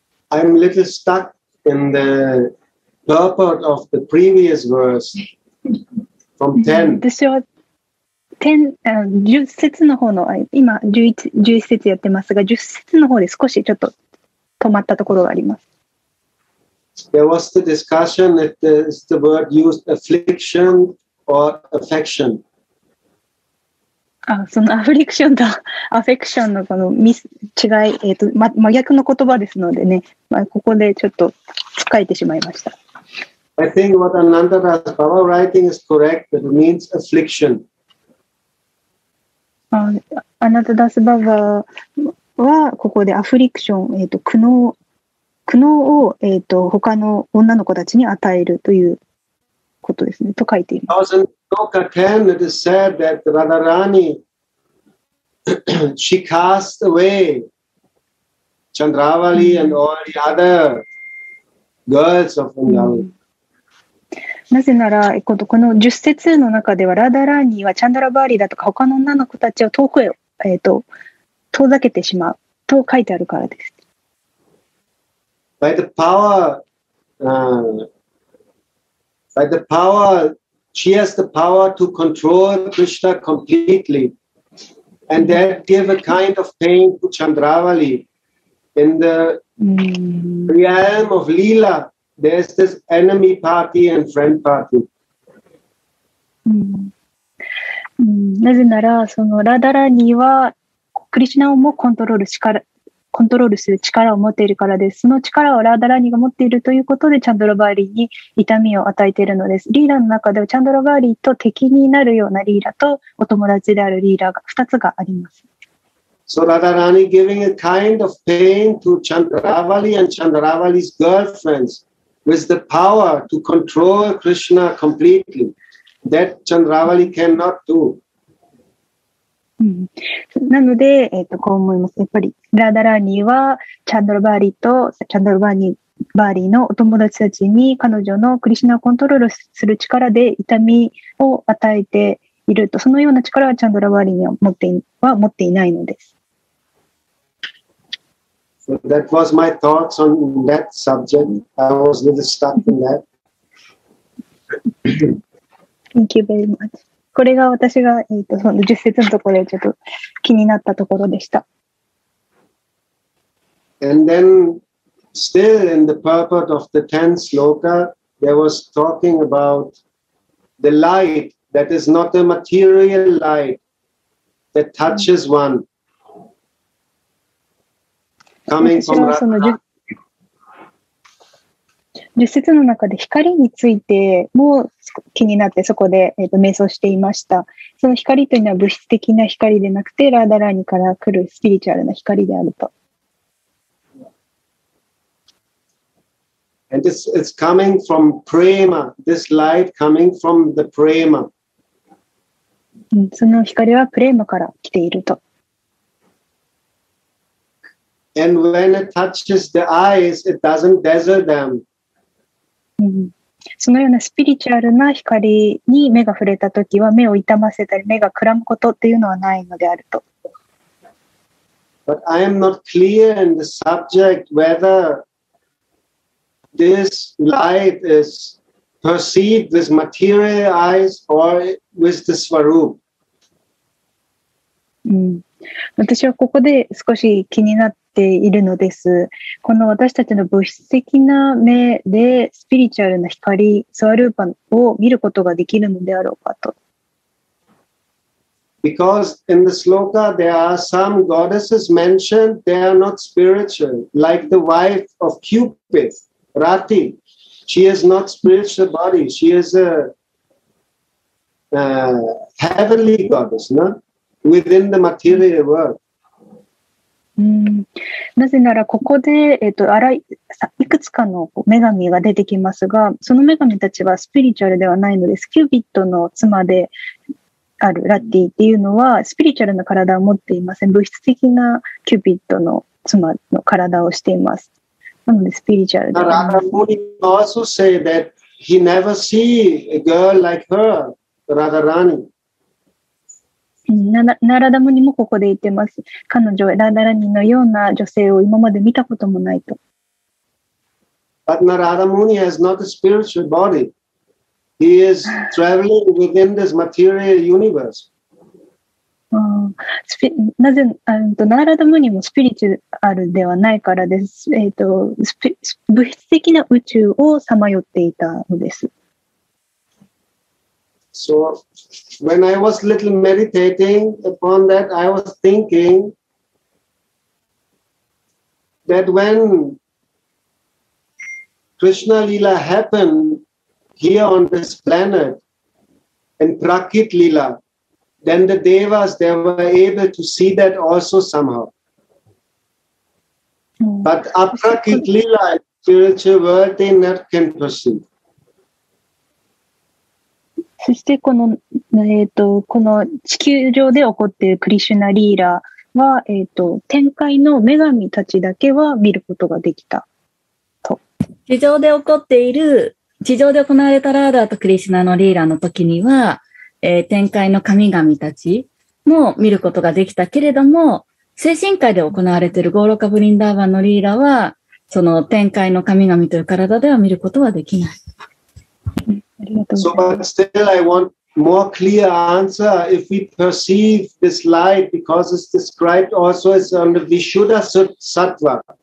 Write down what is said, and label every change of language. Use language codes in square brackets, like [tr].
[en] I'm a little stuck in the purport of the previous verse from 10. [ja] 私は10節の方の、今11節やってますが、10節の方で少しちょっと止まったところがあります。 [en] There was the discussion if the word used affliction or affection. [ja] あ、そのアフリクションとアフェクションのこの違い、真逆の言葉ですのでね、まあ、ここでちょっと書いてしまいました。 [en] I think what Ananda Das Baba writing is correct, it means affliction. [ja] Ananda Das Baba はここでアフリクション、苦悩を、他の女の子たちに与えるということですねと書いています。 [en] Chapter 10, it is said that Radharani she cast away Chandravali and all the other girls of Vrindavan. [ja] なぜなら、この10節の中ではラダラーニーはチャンドラバーリーだとか他の女の子たちを遠くへ、遠ざけてしまうと書いてあるからです。 [en] By the power, she has the power to control Krishna completely, and that give a kind of pain to Chandravali. In the realm of Leela, there's this enemy party and friend party. [ja] なぜならそのラダラにはクリシナをもコントロールしからコントロールする力を持っているからです。その力をラーダラーニが持っているということで、チャンドラバーリーに痛みを与えているのです。リーラの中では、チャンドラバーリーと敵になるようなリーラと、お友達であるリーラが2つがあります。 [en] So, Radharani giving a kind of pain to Chandravali and Chandravali's girlfriends with the power to control Krishna completely. That Chandravali cannot do. [ja] なので、こう思います。やっぱり、ラダラーニーは、チャンドラバーリーと、チャンドラバーリーのお友達たちに、彼女のクリシナをコントロールする力で痛みを与えていると、そのような力はチャンドラバーリーには持っていないのです。 [en] So、that was my thoughts on that subject. I was a little stuck in that. Thank you very much. [ja] これが私が、その10節のところでちょっと気になったところでした。 [en] And then, still in the purport of the 10th sloka, there was talking about the light that is not a material light that touches one. Coming from Ratna. [ja] 10節の中で光についても気になってそこで瞑想していました。その光というのは物質的な光でなくてラーダラーニから来るスピリチュアルな光であると。 [en] And this is coming from prema. This light coming from the prema. [ja] その光はプレーマから来ていると。 [en] And when it touches the eyes, it doesn't dazzle them. [ja] そのようなスピリチュアルな光に目が触れたときは目を痛ませたり目がくらむことっていうのはないのであると。 [en] But I am not clear in the subject whether this light is perceived with material eyes or with the Swarup. [ja] 私はここで少し気になっているのです。この私たちの物質的な目でスピリチュアルな光、スワルーパを見ることができるのであろうかと。 [en] Because in the sloka there are some goddesses mentioned, they are not spiritual, like the wife of Cupid, Rati. She is not spiritual body, she is a heavenly goddess, no? Within the material world. [ja] なぜならここで、いくつかの女神が出てきますが、その女神たちはスピリチュアルではないのです。キューピッドの妻であるラッティっていうのはスピリチュアルな体を持っていません。物質的なキューピッドの妻の体をしています。なのでスピリチュアルではない。 [en] Radha Muni also say that he never see a girl like her, Radha Rani. [ja] ナラダムニもここで言ってます。彼女はラダラニのような女性を今まで見たこともないと。 [en] But Narada Muni has not a spiritual body. He is traveling within this material universe. [ja] なぜ、ナーラダムニもスピリチュアルではないからです。物質的な宇宙をさまよっていたのです。 [en] So, when I was little meditating upon that, I was thinking that when Krishna Lila happened here on this planet, in Prakrit Lila,Then the devas, they were able to see that also somehow. But aprakrit lila, spiritual world, they never can perceive. [ja] そしてこの、この地球上で起こっているクリシュナリーラは、天界の女神たちだけは見ることができたと。地上で起こっている、地上で行われたラーダとクリシュナのリーラの時には、天界の神々たちも見ることができたけれども、精神界で行われているゴーロカ・ブリンダーバンのリーラは、その天界の神々という体では見ることはできない。ありがとうございます。 [en] So, but still, I want more clear answer if we perceive this light because it's described also as on the Vishuddha Sattva.